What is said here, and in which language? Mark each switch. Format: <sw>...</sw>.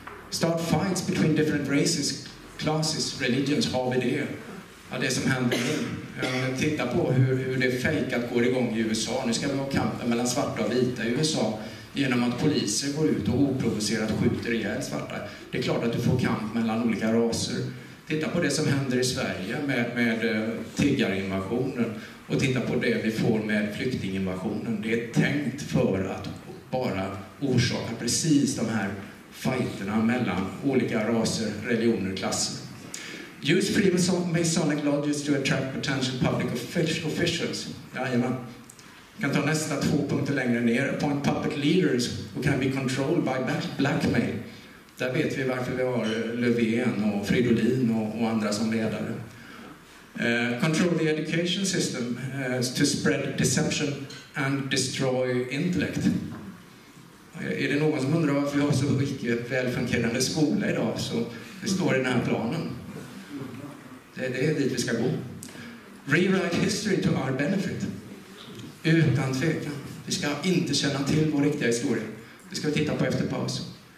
<en>Start fights between different races, classes, religions.</en> <sv>Har vi det? Ja, det som händer nu. Titta på hur det fejkat går igång i USA. Nu ska vi ha kampen mellan svarta och vita i USA genom att poliser går ut och oprovocerat skjuter ihjäl svarta. Det är klart att du får kamp mellan olika raser. Titta på det som händer i Sverige med tiggarinvasionen. Och titta på det vi får med flyktinginvasionen. Det är tänkt för att bara orsaka precis de här fighterna mellan olika raser, religioner, klasser.</sv> <en>Use Freemasonic lodges to attract potential public officials.</en> <sv>Jajamän. Vi kan ta nästa två punkter längre ner.</sv> <en>Appoint puppet leaders who can be controlled by blackmail.</en> <sv>Där vet vi varför vi har Löfven och Fridolin och andra som ledare.</sv> <en>Control the education system to spread deception and destroy intellect.</en> <sv>Är det någon som undrar varför vi har så mycket välfungerande skola idag, så det står i den här planen. Det är dit vi ska gå.</sv> <en>Rewrite history to our benefit.</en> <sv>Utan tvekan. Vi ska inte känna till vår riktiga historia. Det ska vi titta på efter paus.</sv>